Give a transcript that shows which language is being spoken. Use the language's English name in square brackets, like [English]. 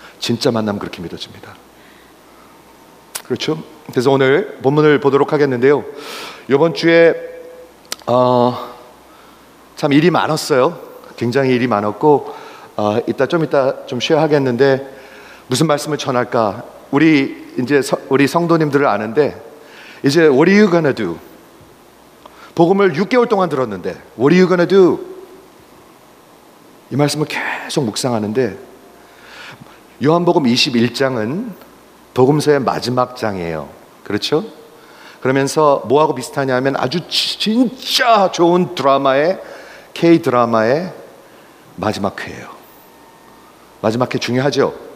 [Korean] 진짜 만나면 그렇게 믿어집니다. 그렇죠? 그래서 오늘 본문을 보도록 하겠는데요. 이번 주에 참 일이 많았어요. 굉장히 일이 많았고 이따 좀 쉬어야 하겠는데 무슨 말씀을 전할까? 우리 성도님들을 아는데 이제 [English] What are you gonna do? [Korean] 복음을 6개월 동안 들었는데 [English] What are you gonna do? [Korean] 이 말씀을 계속 묵상하는데 요한복음 21장은 복음서의 마지막 장이에요. 그렇죠? 그러면서 뭐하고 비슷하냐 하면 아주 진짜 좋은 드라마의 K-드라마의 마지막 회예요. 마지막 회 중요하죠?